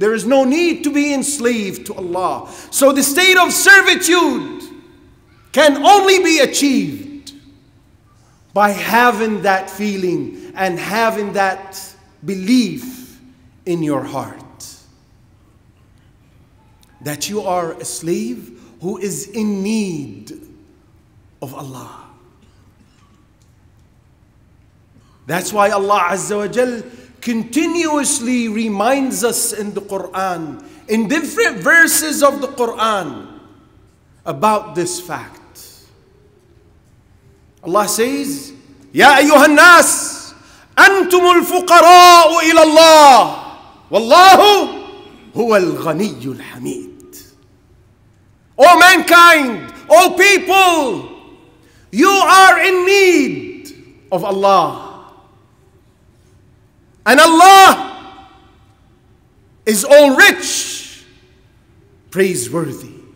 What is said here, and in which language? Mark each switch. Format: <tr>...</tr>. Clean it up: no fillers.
<en>There is no need to be enslaved to Allah. So the state of servitude can only be achieved by having that feeling and having that belief in your heart that you are a slave who is in need of Allah. That's why Allah Azza wa Jal continuously reminds us in the Quran, in different verses of the Quran, about this fact. Allah says,</en> <ar>يا أيها الناس أنتم الفقراء إلى الله والله هو الغني الحميد.</ar> <en>O mankind, O people, you are in need of Allah, and Allah is all rich, praiseworthy.</en>